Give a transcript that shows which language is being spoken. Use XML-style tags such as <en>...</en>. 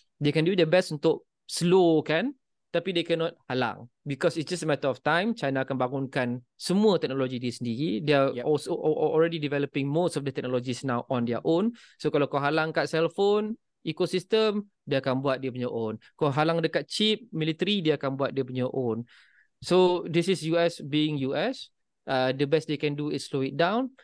<en>They can do their best untuk slow kan,</en> <ms>tapi</ms> <en>they cannot halang because it's just a matter of time.</en> <ms>China akan bangunkan semua teknologi dia sendiri.</ms> <en>They are also already developing most of the technologies now on their own.</en> <ms>So kalau kau halang kat</ms> <en>cell phone ecosystem,</en> <ms>dia akan buat dia punya</ms> <en>own.</en> <ms>Kau halang dekat</ms> <en>chip military,</en> <ms>dia akan buat dia punya</ms> <en>own. So this is US being US. The best they can do is slow it down.</en>